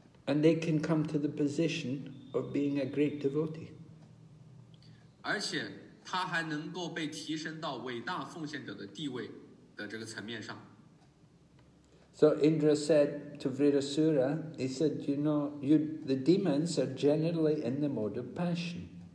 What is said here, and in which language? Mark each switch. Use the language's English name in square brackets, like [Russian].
[English] And they can come to the position of being a great devotee. [Chinese] 而且他还能够被提升到伟大奉献者的地位的这个层面上。 [English] So Indra said to Virasura, he said, you know, the demons are generally in the mode of passion.